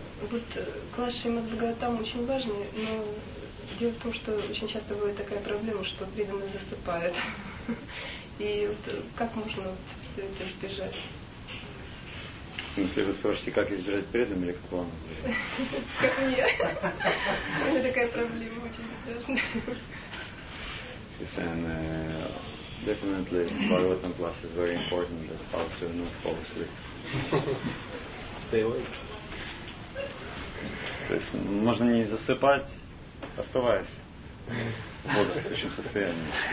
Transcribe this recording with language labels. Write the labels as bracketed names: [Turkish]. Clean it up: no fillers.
[Russian] Вот класс Шримад Бхагаватам очень важный, но дело в том, что очень часто бывает такая проблема, что преданные засыпают. И вот как можно вот все это избежать? Если вы спросите, как избежать преданных или как вам? Как мне. Это такая проблема очень важная. [English] And definitely Bhagavatam class is very important, that how to not fall asleep. Stay awake. [Russian] То есть можно не засыпать, оставаясь в бодрствующем состоянии.